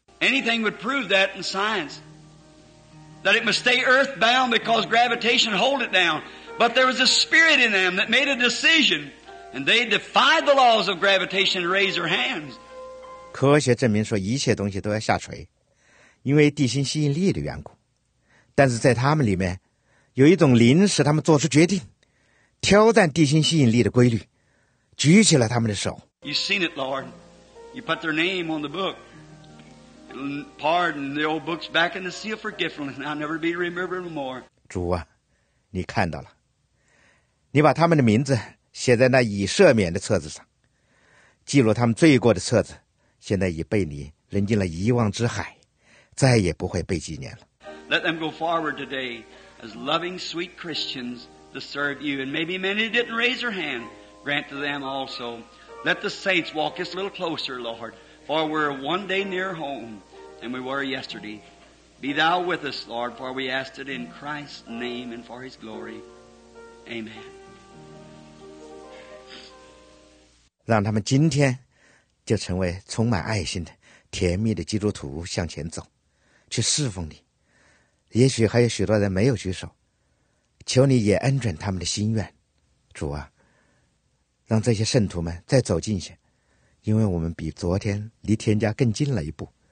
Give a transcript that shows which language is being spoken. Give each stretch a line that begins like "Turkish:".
English: Anything would prove that in science, that it must stay earthbound because gravitation hold it down. But there was a spirit in them that made a decision, and they defied the laws of gravitation and raised their hands.
Chinese: 科学证明说一切东西都要下垂，因为地心吸引力的缘故。但是在他们里面，有一种灵使他们做出决定，挑战地心吸引力的规律，举起了他们的手。
English: You've seen it, Lord. You put their name on the book. Pardon the old books back in the sea of forgiveness, and I'll never be remembered more.
Chinese: 主啊，你看到了，你把他们的名字写在那已赦免的册子上，记录他们罪过的册子现在已被你扔进了遗忘之海，再也不会被纪念了。
English: Let them go forward today as loving sweet Christians to serve you, and maybe many didn't raise their hand, grant to them also. Let the saints walk us a little closer, Lord, for we're one day near home than we were yesterday. Be thou with us, Lord, for we ask it in Christ's name and for his glory. Amen.
Chinese: 让他们今天就成为充满爱心的甜蜜的基督徒，向前走，去侍奉你。也许还有许多人没有举手，求你也恩准他们的心愿。主啊，让这些圣徒们再走近些，因为我们比昨天离天家更近了一步。